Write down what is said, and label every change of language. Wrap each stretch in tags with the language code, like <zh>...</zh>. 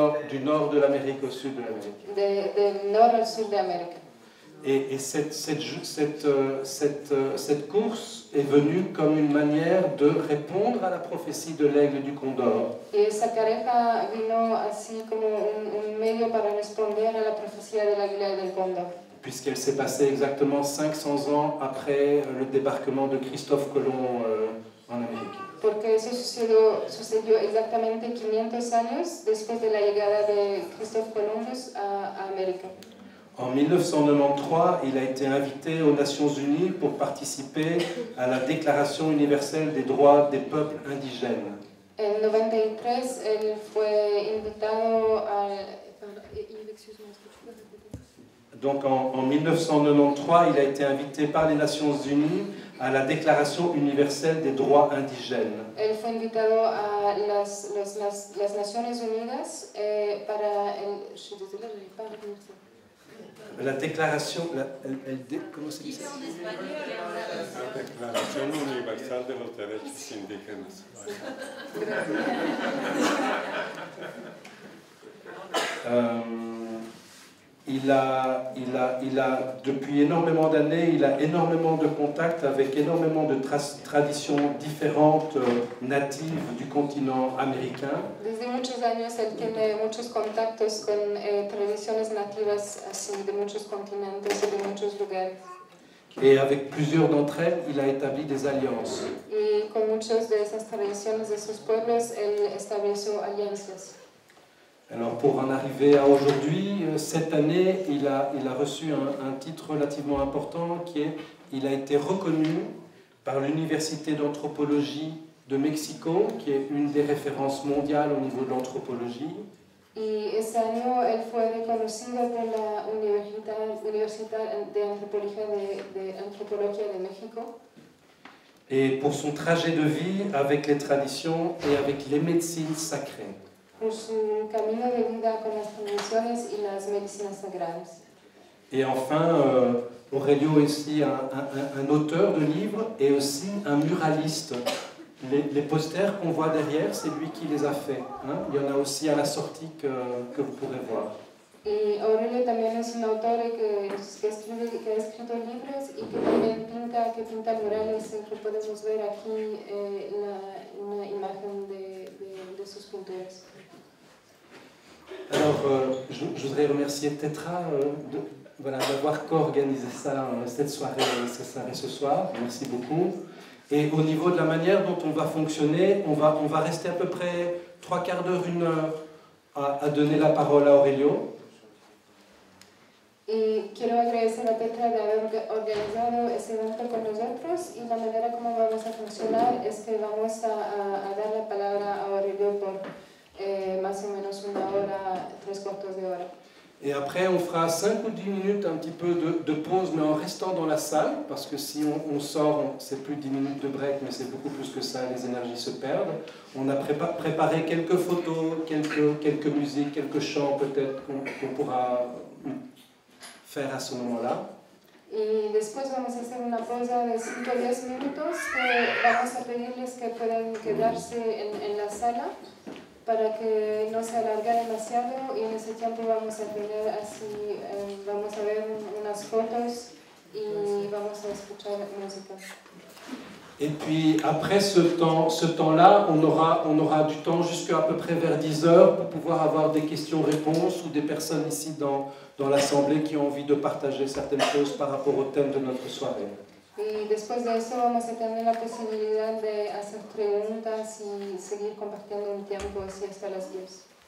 <fr>Du nord de l'Amérique au sud de l'Amérique. De nord au sud de l'Amérique. Et cette course est venue comme une manière de répondre à la prophétie de l'aigle du condor.</fr> <es>Et esa carreta vino así como un medio para responder a la profecía de la águila del cóndor.</es> <fr>Puisqu'elle s'est passée exactement 500 ans après le débarquement de Christophe Colomb en Amérique.</fr> <es>Porque eso sucedió exactamente 500 años después de la llegada de Christophe Columbus a América.</es> <fr>En 1993, il a été invité aux Nations Unies pour participer à la Déclaration universelle des droits des peuples indigènes.</fr> <es>En 93, él fue invitado al.</es> <fr>Donc en 1993, il a été invité par les Nations Unies à la Déclaration universelle des droits indigènes.</fr> <es>Él fue invitado a las Naciones Unidas para el.</es> <fr>La Déclaration. Comment c'est dit? La Déclaration universelle des droits indigènes. Il a depuis énormément d'années, il a énormément de contacts avec énormément de traditions différentes natives du continent américain.</fr> <es>Desde muchos años él tiene muchos contactos con tradiciones nativas así de muchos continentes y de muchos lugares.</es> <fr>Et avec plusieurs d'entre elles, il a établi des alliances.</fr> <es>Y con muchas de esas tradiciones de sus pueblos él estableció alianzas.</es> <fr>Alors pour en arriver à aujourd'hui, cette année, il a reçu un titre relativement important qui est il a été reconnu par l'Université d'anthropologie de Mexico, qui est une des références mondiales au niveau de l'anthropologie. Et cet année, il a été reconnu par l'Université d'anthropologie de Mexico. Et pour son trajet de vie avec les traditions et avec les médecines sacrées.</fr> <es>Por su camino de vida con las tradiciones y las medicinas sagradas.</es> <fr>Et enfin, Aurelio est aussi un auteur de livres et aussi un muraliste. Les posters qu'on voit derrière, c'est lui qui les a faits. Hein? Il y en a aussi à la sortie que vous pourrez voir.</fr> <es>Y Aurelio también es un autor que ha escrito libros y que también pinta murales, que podemos ver aquí una imagen de sus pinturas.</es> <fr>Alors, je voudrais remercier Tetra d'avoir co-organisé ça, cette soirée ce soir. Merci beaucoup. Et au niveau de la manière dont on va fonctionner, on va rester à peu près trois quarts d'heure, une heure à donner la parole à Aurelio.</fr> <es>Et quiero agradecer a Tetra de haber organizado ese evento con nosotros. Y la manera como vamos a funcionar es que vamos a dar la palabra a Aurelio por. Más o menos una hora, tres cuartos de hora.</es> <fr>Et après, on fera 5 ou 10 minutes un petit peu de pause, mais en restant dans la salle, parce que si on sort, c'est plus 10 minutes de break, mais c'est beaucoup plus que ça, les énergies se perdent. On a préparé quelques photos, quelques musiques, quelques chants peut-être qu'on pourra faire à ce moment-là.</fr> <es>Y después vamos a hacer una pausa de 5 o 10 minutos que vamos a pedirles que puedan quedarse en la sala para que no se alargue demasiado y en ese tiempo vamos a tener así, vamos a ver unas fotos y vamos a escuchar música.</es> <fr>Et puis après ce temps-là, on aura du temps jusqu'à peu près vers 10 heures pour pouvoir avoir des questions-réponses ou des personnes ici dans l'assemblée qui ont envie de partager certaines choses par rapport au thème de notre soirée.</fr> <es>Et después de eso vamos a tener la posibilidad de hacer preguntas y seguir compartiendo un tiempo así hasta las 10.</es>